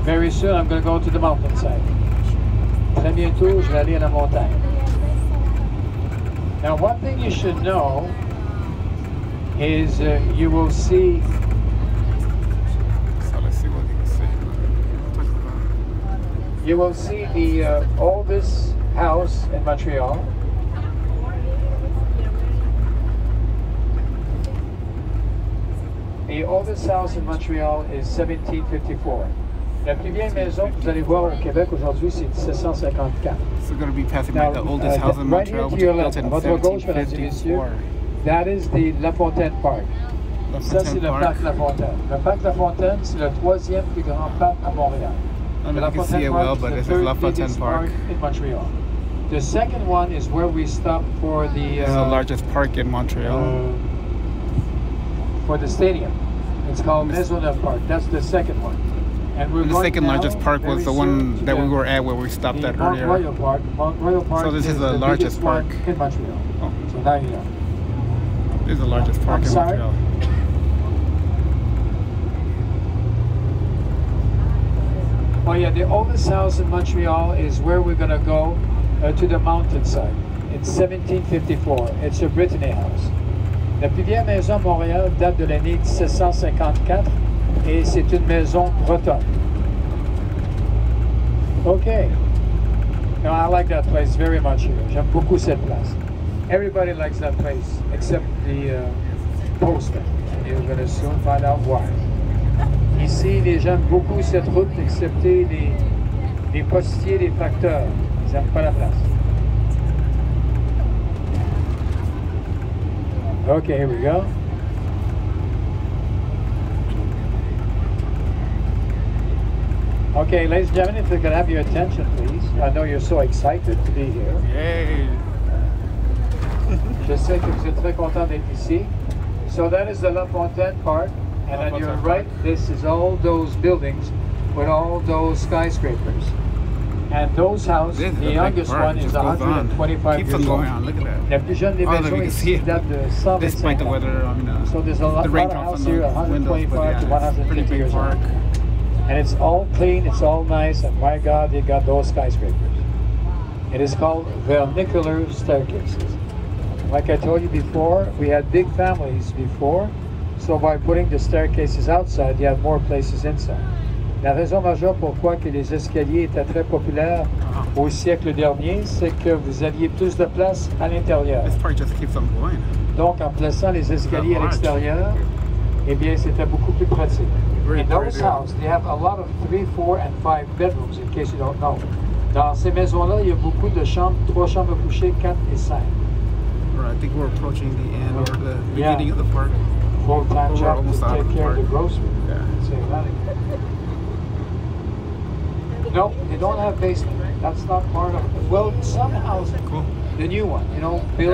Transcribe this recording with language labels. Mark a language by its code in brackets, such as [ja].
[en] Soon, I'm going to go to the mountainside. [fr] Très bientôt, je vais aller à la montagne. [en] Now, one thing you should know is you will see. So let's see what you can see. You will see the oldest house in Montreal. The oldest house in Montreal is 1754. [fr] La plus vieille maison que vous allez voir au Québec aujourd'hui, c'est 1754. [en] So we're going to be passing by the oldest house in Montreal, right, which was built in 1754. That is the La Fontaine Park. [fr] Ça, c'est le parc La Fontaine. Le parc La Fontaine, c'est le troisième plus grand parc à Montréal. [en] I mean, you can see it well, but this is La Fontaine Park. In Montreal. The second one is where we stop for the... It's the largest park in Montreal. For the stadium. It's called Maisonneuve Park. That's the second one. And we're the second largest park was the one that we were at where we stopped the at earlier. Mont Royal Park. So this is the largest park in Montreal. Oh. So now you know. This is the largest park I'm in sorry. Montreal. Oh yeah, the oldest house in Montreal is where we're going to go to the mountainside. It's 1754. It's a Brittany house. [fr] La plus vieille maison Montréal date de l'année 1754. Et c'est une maison bretonne. [en] Okay. Now I like that place very much here. [fr] J'aime beaucoup cette place. [en] Everybody likes that place except the postman. You're gonna soon find out why. [fr] Ici, les gens aiment beaucoup cette route, excepté les postiers, les facteurs. Ils n'aiment pas la place. [en] Okay, here we go. Okay, ladies and gentlemen, if you could have your attention, please. I know you're so excited to be here. Yay! [fr] Je sais que vous êtes très content d'être ici. [en] So that is the La Fontaine part, and on your right, this is all those buildings with all those skyscrapers. And those houses, the youngest one is 125 years old. Keeps on going on, look at that. [fr] La plus jeune des maisons ici, c'est date de [en] 125 years old. So there's a lot of houses here, 125 to 150 years old. And it's all clean, it's all nice, and my God, they got those skyscrapers. It is called vernacular staircases. Like I told you before, we had big families before, so by putting the staircases outside, you have more places inside. [fr] La raison majeure pourquoi que les escaliers étaient très populaires au siècle dernier, c'est que vous aviez plus de place à l'intérieur. [en] This part just keeps on going. [fr] Donc, en plaçant les escaliers à l'extérieur, eh bien, c'était beaucoup plus pratique. [en] In those houses, they have a lot of 3, 4, and 5 bedrooms, in case you don't know. [fr] Dans ces maisons-là, il y a beaucoup de chambres, 3 chambres à coucher, 4 et 5. [en] Right, I think we're approaching the end or the beginning of the park. Full-time job to take care of the grocery. Yeah. Say that again. No, they don't have basement. That's not part of it. Well, some houses, the new one, you know, built...